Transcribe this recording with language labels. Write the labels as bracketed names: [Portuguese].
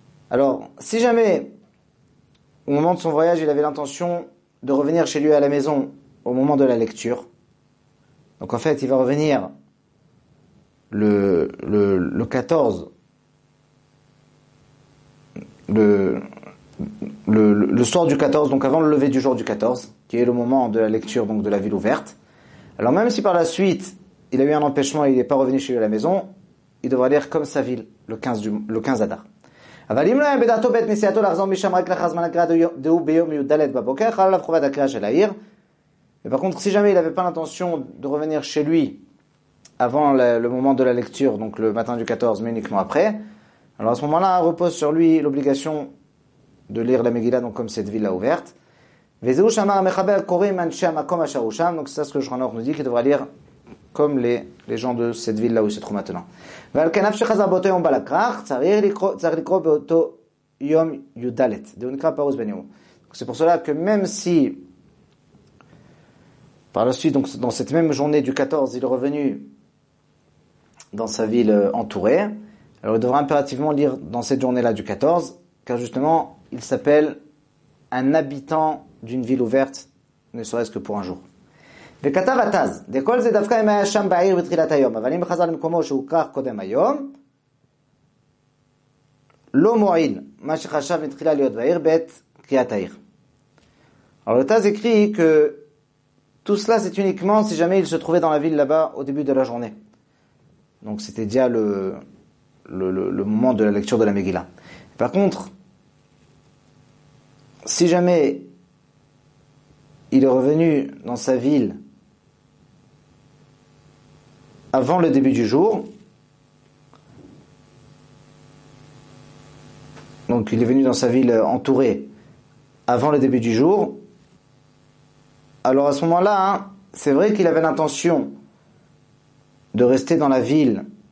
[French] Alors, si jamais, au moment de son voyage, il avait l'intention de revenir chez lui à la maison au moment de la lecture, donc en fait, il va revenir le 14, le soir du 14, donc avant le lever du jour du 14, qui est le moment de la lecture donc de la ville ouverte. Alors même si par la suite, il a eu un empêchement et il n'est pas revenu chez lui à la maison, il devra lire comme sa ville, le 15 Adar. [Hebrew] אבל אם לא היה בדעתו בית נסיעתו לחזור משם רק לאחר זמן הקריאה דהו ביום י"ד בבוקר, חל עליו חובת הקריאה של העיר. [French] Mais par contre, si jamais il n'avait pas l'intention de revenir chez lui avant le moment de la lecture, donc le matin du 14, mais uniquement après, alors à ce moment-là, repose sur lui l'obligation de lire la Megillah, donc comme cette ville-là ouverte. [Hebrew] וזהו שאמר המחבר קוראים אנשי המקום אשר הוא שם, [French] donc c'est ce que Shulchan Aruch nous dit, qu'il devra lire comme les gens de cette ville-là où il se trouve maintenant. [Hebrew] ועל כנף שחזר באותו יום בלקרח, צריך לקרוא באותו יום י"ד, דהו נקרא פרוס בן יום. [French] C'est pour cela que même si, par la suite, donc, dans cette même journée du 14, il est revenu dans sa ville entourée, alors il devra impérativement lire dans cette journée-là du 14, car justement, il s'appelle un habitant d'une ville ouverte, ne serait-ce que pour un jour. [Hebrew] וכתב התז, דכל זה דווקא אם היה שם בעיר בתחילת היום, אבל אם חזר למקומו שהוא כך קודם היום, לא מועיל מה שחשב מתחילה להיות בעיר בעת קריאת העיר. [French] Alors le Taz écrit que tout cela c'est uniquement si jamais il se trouvait dans la ville là-bas au début de la journée. Donc c'était déjà le moment de la lecture de la Megillah. Par contre, si jamais il est revenu dans sa ville avant le début du jour, donc il est venu dans sa ville entourée avant le début du jour, alors à ce moment-là, hein, c'est vrai qu'il avait l'intention de rester dans la ville